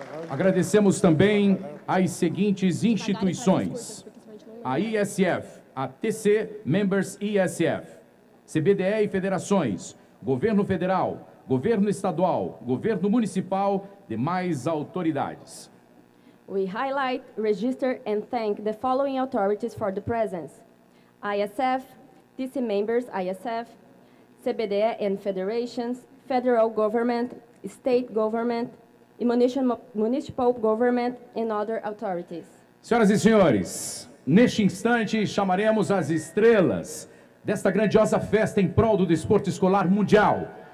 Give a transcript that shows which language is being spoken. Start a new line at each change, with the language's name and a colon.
Portuguese: Agradecemos também as seguintes instituições: a ISF, a TC Members ISF, CBDE e Federações, Governo Federal, Governo Estadual, Governo Municipal, demais autoridades.
English: We highlight, register, and thank the following authorities for the presence: ISF, TC Members ISF, CBDE and Federations, Federal Government, State Government, Municipal Government, and other authorities.
Portuguese: Senhoras e senhores, neste instante chamaremos as estrelas desta grandiosa festa em prol do desporto escolar mundial.